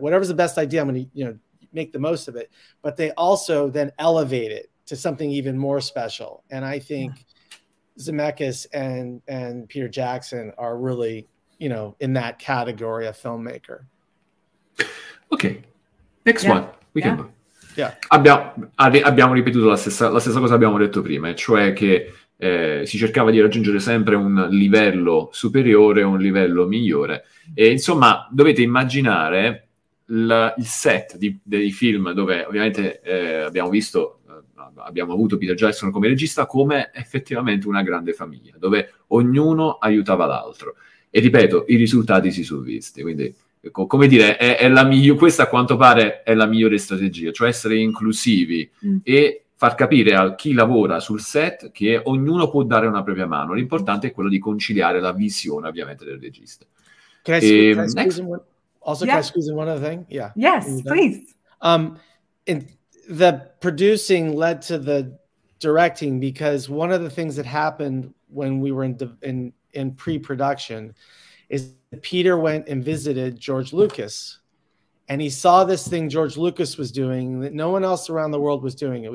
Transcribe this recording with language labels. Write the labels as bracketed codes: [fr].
[en] Whatever's the best idea, I'm going to, you know, make the most of it, but they also then elevate it to something even more special. And I think Zemeckis and Peter Jackson are really, you know, in that category of filmmaker. Okay. Next one. We can go. Yeah. [it] Abbiamo ripetuto la stessa cosa abbiamo detto prima, cioè che si cercava di raggiungere sempre un livello superiore, un livello migliore. E insomma, dovete immaginare il set dei film dove ovviamente abbiamo avuto Peter Jackson come regista, come effettivamente una grande famiglia, dove ognuno aiutava l'altro. E ripeto, i risultati si sono visti, quindi... Come dire, questa a quanto pare è la migliore strategia, cioè essere inclusivi e far capire a chi lavora sul set che ognuno può dare una propria mano. L'importante è quello di conciliare la visione, ovviamente, del regista. [en] Can I squeeze in one other thing? Yeah. Yes, please. The producing led to the directing because one of the things that happened when we were in pre-production is Peter went and visited George Lucas, and he saw this thing George Lucas was doing that no one else around the world was doing.